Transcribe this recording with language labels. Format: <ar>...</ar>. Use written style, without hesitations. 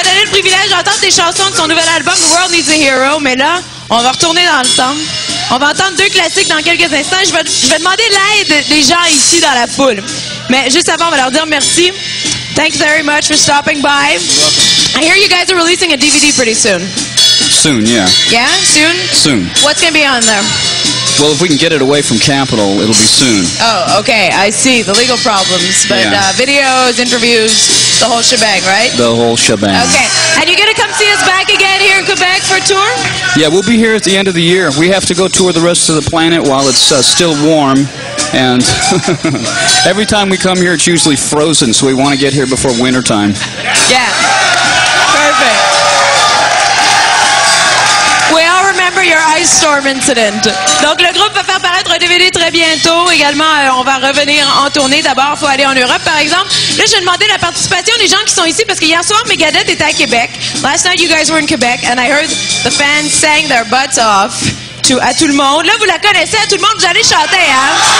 <fr>privilège d'entendre tes chansons de son nouvel album World Needs a Hero, mais là, on va retourner dans le temps. On va entendre deux classiques dans quelques instants. Je vais demander l'aide des gens ici dans la foule. Mais juste avant, on va leur dire merci.</fr> <en>Thanks very much for stopping by. You're welcome. I hear you guys are releasing a DVD pretty soon. Soon, yeah. Yeah? Soon? Soon. What's going to be on there? Well, if we can get it away from Capitol, it'll be soon. Oh, okay. I see. The legal problems. But yeah. Videos, interviews, the whole shebang, right? The whole shebang. Okay. And you're going to come see us back again here in Quebec for a tour? Yeah, we'll be here at the end of the year. We have to go tour the rest of the planet while it's still warm. And every time we come here, it's usually frozen, so we want to get here before wintertime. Yeah. Perfect. Your ice storm incident.</en> <fr>Donc, le groupe va faire paraître un DVD très bientôt. Également, on va revenir en tournée. D'abord, il faut aller en Europe, par exemple. Là, je vais demander la participation des gens qui sont ici, parce que hier soir, Megadeth était à Québec.</fr> <en>Last night, you guys were in Quebec, and I heard the fans sang their butts off to, à tout le monde.</en> <fr>Là, vous la connaissez, à tout le monde, vous allez chanter, hein?</fr>